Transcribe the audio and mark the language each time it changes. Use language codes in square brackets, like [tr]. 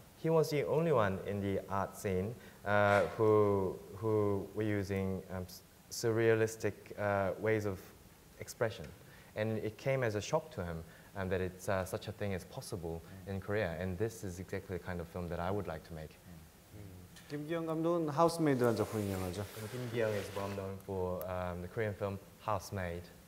[en] He was the only one in the art scene who were using surrealistic ways of expression. And it came as a shock to him that it's such a thing as possible in Korea. And this is exactly the kind of film that I would like to make. [ko] Kim Gi-young 감독은 하우스메이드라는 작품이 유명하죠. [en] Kim Gi-young is well known for the Korean film Housemaid.